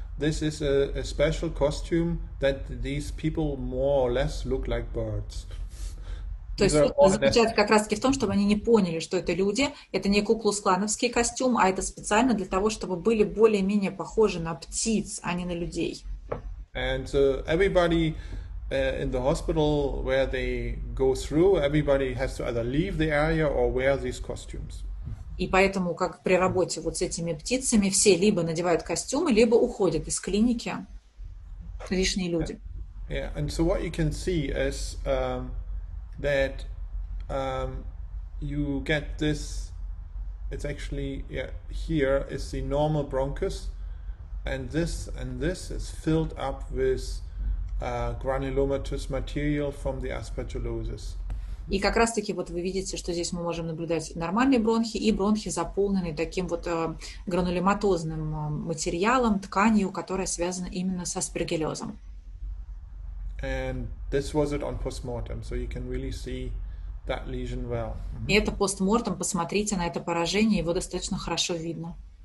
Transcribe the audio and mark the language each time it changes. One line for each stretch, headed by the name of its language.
English: This is a special costume that these people more or less look like birds.
Russian: То есть заключается как раз-таки в том, чтобы они не поняли, что это люди, это не куклусклановский костюм, а это специально для того, чтобы были более-менее похожи на птиц, а не на людей.
English: And so everybody in the hospital where they go through, everybody has to either leave the area or wear these costumes.
Russian: И поэтому, как при работе вот с этими птицами, все либо надевают костюмы, либо уходят из клиники. Лишние люди.
English: Yeah. And so what you can see is that you get this, it's actually here is the normal bronchus, and this is filled up with granulomatous material from the aspergillosis.
Russian: И как раз-таки вот вы видите, что здесь мы можем наблюдать нормальные бронхи и бронхи, заполненные таким вот гранулематозным материалом, тканью, которая связана именно с аспергиллезом.
English: And this was it on postmortem, so you can really see that lesion well.
Russian: Mm-hmm. И это постмортем, посмотрите на это поражение, его достаточно хорошо видно.